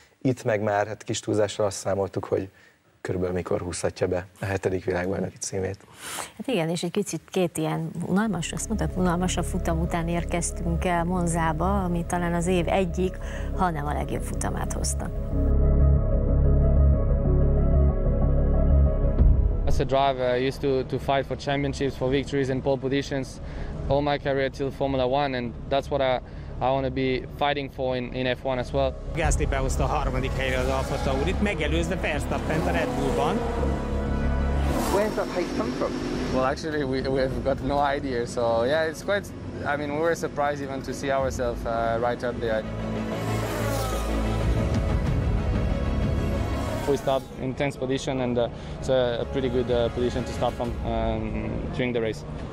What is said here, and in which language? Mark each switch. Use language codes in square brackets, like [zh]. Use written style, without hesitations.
[hu] Itt meg már hát kis túlzással azt számoltuk, hogy körülbelül mikor húzhatja be a hetedik világbajnoki címét. Hát igen, és egy kicsit két ilyen unalmas, azt mondtad, unalmasabb futam után érkeztünk el Monzába, ami talán az év egyik, ha nem a legjobb futamát hozta. [en] As a driver, I used to fight for championships, for victories in pole positions all my career till Formula One, and that's what I want to be fighting for in F1 as well. [hu] Gasly behozta a harmadik helyre az Alfa Taurit, megelőzve Verstappen a Red Bullban. [en] Where's that hate come from? Well, actually, we've got no idea, so yeah, it's quite, I mean, we were surprised even to see ourselves right up there. We start in 10th position, and it's a pretty good position to start from during the race.